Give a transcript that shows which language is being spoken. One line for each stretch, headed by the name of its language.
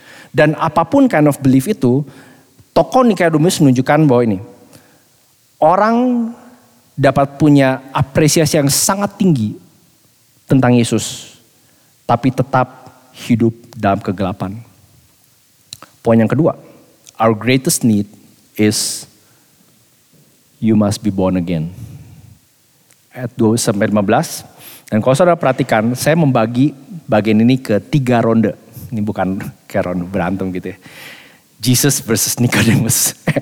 Indonesian: Dan apapun
English: kind of belief
Indonesian: itu, tokoh Nikodemus menunjukkan bahwa ini, orang dapat punya apresiasi yang sangat tinggi tentang Yesus, tapi tetap hidup dalam kegelapan. Poin yang kedua,
English: our greatest need is you must be born again.
Indonesian: Ayat 2-15. Dan kalau saudara perhatikan, saya membagi bagian ini ke 3 ronde. Ini bukan kayak ronde berantem gitu ya. Jesus versus Nicodemus.